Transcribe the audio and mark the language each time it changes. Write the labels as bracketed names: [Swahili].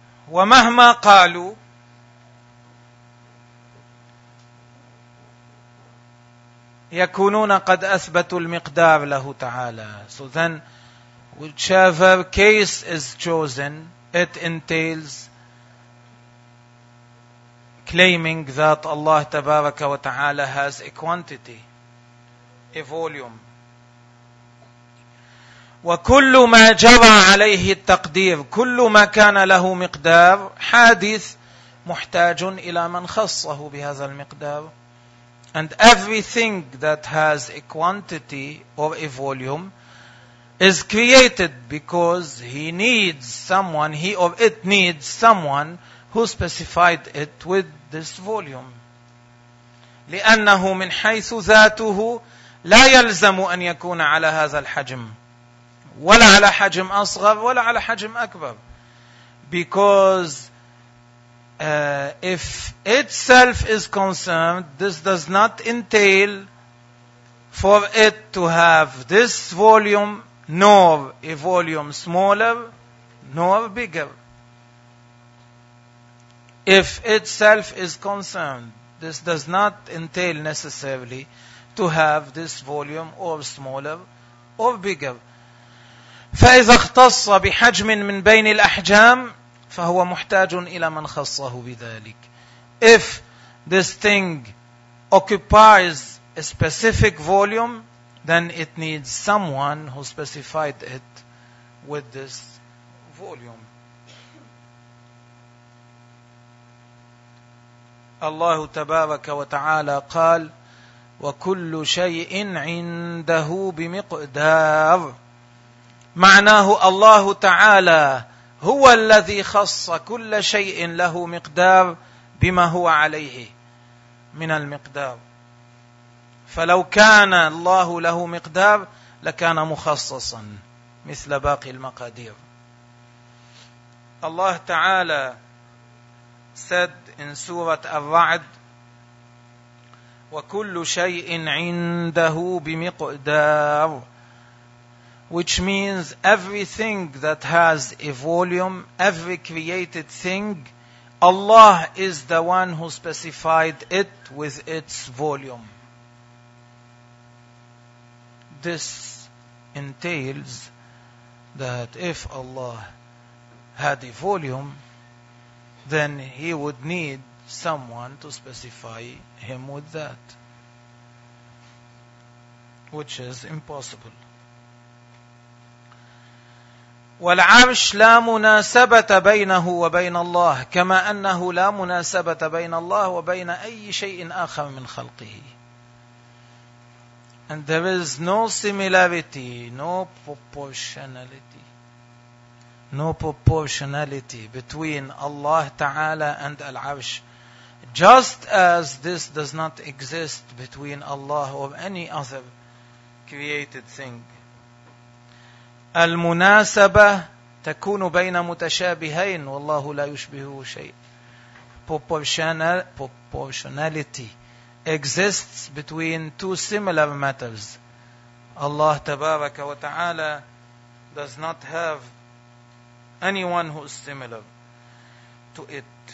[Arabic] وَمَهْمَا قَالُوا يَكُونُونَ قَدْ أَثْبَتُوا الْمِقْدَارَ لَهُ تَعَالَى. [English] So then, whichever case is chosen, it entails claiming that Allah تبارك وتعالى has a quantity, a volume. [Arabic] وكل ما جرى عليه التقدير كل ما كان له مقدار حادث محتاج إلى من خصه بهذا المقدار. [English] And everything that has a quantity or a volume is created because he needs someone, he or it needs someone who specified it with this volume. [Arabic] لأنه من حيث ذاته لا يلزم أن يكون على هذا الحجم ولا على حجم أصغر ولا على حجم أكبر. [English] Because if itself is concerned, this does not entail for it to have this volume nor a volume smaller nor bigger. If itself is concerned, this does not entail necessarily to have this volume or smaller or bigger. [Arabic] فإذا اختص بحجم من بين الأحجام فهو محتاج إلى من خصه بذلك. [English] If this thing occupies a specific volume, then it needs someone who specified it with this volume. [Arabic] الله تبارك وتعالى قال وكل شيء عنده بمقدار. معناه الله تعالى هو الذي خص كل شيء له مقدار بما هو عليه من المقدار. فلو كان الله له مقدار لكان مخصصا مثل باقي المقادير. [English] الله تعالى said in سورة الرعد [Arabic] وكل شيء عنده بمقدار, [English] which means everything that has a volume, every created thing, Allah is the one who specified it with its volume. This entails that if Allah had a volume, then He would need someone to specify Him with that, which is impossible. [Arabic] والعرش لا مناسبة بينه وبين الله كما أنه لا مناسبة بين الله وبين أي شيء آخر من خلقه. [English] And there is no similarity, no proportionality, no proportionality between Allah Ta'ala and Al-Arsh. Just as this does not exist between Allah or any other created thing. [Arabic] المناسبة تكون بين متشابهين والله لا يشبه شيء. [English] Proportionality exists between two similar matters. Allah Tabaraka wa Ta'ala does not have anyone who is similar to it.